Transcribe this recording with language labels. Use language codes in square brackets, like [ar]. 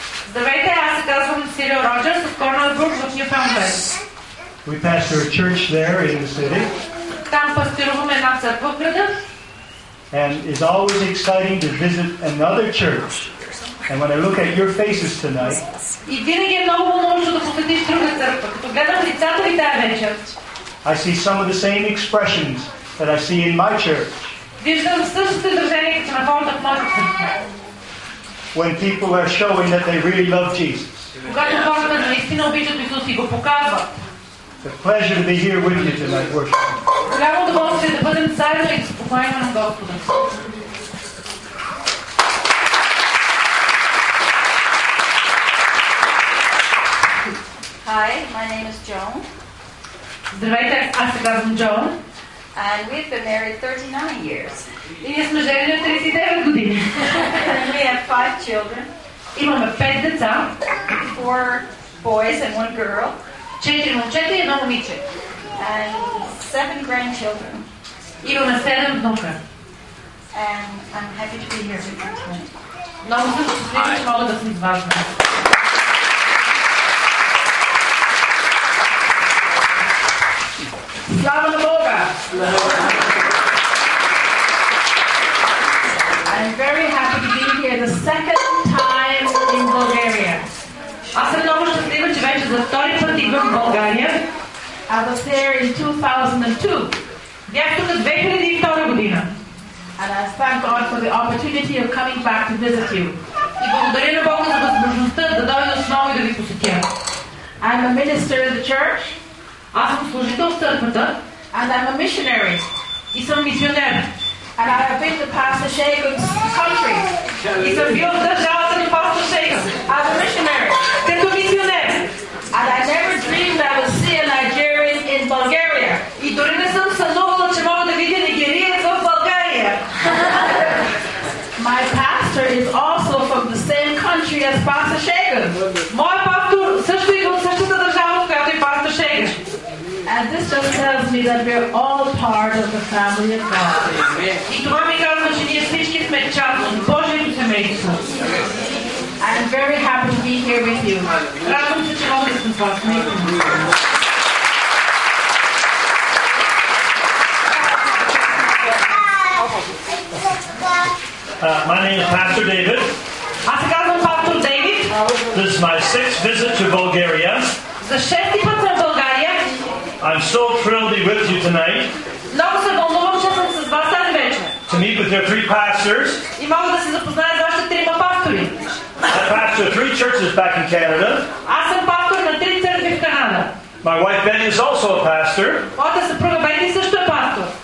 [bg] Здравейте, аз съм Сирил Роджерс от Корнърбрук в Нюфаундленд. [en] We pastor a church there in the city. [bg] Там пастируваме една църква в града. [en] And it's always exciting to visit another church. And when I look at your faces tonight. [bg] И винаги е много вълнуващо да посетиш друга църква, като гледам лицата ви тази вечер. [en] I see some of the same expressions that I see in my church. [bg] Виждам същото изражение като на хората в моята църква. [en] When people are showing that they really love Jesus. [bg] Когато хората наистина обичат Исус и го показват. [en] It's a pleasure to be here with you tonight, worship. [bg] Голямо удоволствие да бъдем заедно и да се поклоняваме на Господа. [en] Hi, my name is Joan. [bg] Здравейте, аз се казвам Joan. [en] And we've been married 39 years. [bg] Ние сме женени 39 години. [en] We have 5 children. [bg] Имаме 5 деца. [en] 4 boys and 1 girl. [bg] 4 момчета и 1 момиче. [en] And 7 grandchildren. [bg] Имаме 7 внука. [en] And I'm happy to be here with you tonight. [bg] Много съм щастлива, че мога да съм с вас. Слава на Бога! [en] I'm very happy to be here the second time in Bulgaria. [bg] Аз съм много щастлива, че вече за втори път идвам в България. [en] I was there in 2002. [bg] Бях тук 2002 година. [en] And I thank God for the opportunity of coming back to visit you. [bg] И благодаря на Бога за възможността да дойда отново и да ви посетя. [en] I'm a minister of the church. [bg] Аз съм служител в църквата. [en] And I'm a missionary. [bg] И съм мисионер. [en] And I have been to Pastor Shagun's country. [bg] И съм бил в държавата на Пастор Шейгън. [en] As a missionary. [bg] Като мисионер. [en] And I never dreamed I would see a Nigerian in Bulgaria. [bg] И дори не съм сънувала, че мога да видя нигериец в България. [en] My pastor is also from the same country as Pastor Shagun. [bg] Мой пастор също идва от същата държава, която е Пастор Шейгън. [en] And this just tells me that we are all part of the family of God. [bg] И това ми казва, че ние всички сме част от Божието семейство. [en] I'm very happy to be here with you. [bg] Радвам се, че мога да съм с вас. [en] My name is Pastor David. [bg] Аз се казвам Пастор Дейвид. [en] This is my sixth visit to Bulgaria. [bg] За шести път съм в България. [en] I'm so thrilled to be with you tonight. [bg] Много се вълнувам, че съм с вас тази вечер. [en] To meet with your three pastors. [bg] И мога да се запозная с вашите трима пастори. [en] I pastor three churches back in Canada. [bg] Аз съм пастор на три църкви в Канада. [en] My wife Betty is also a pastor. [bg] Моята съпруга Бетти също е пастор.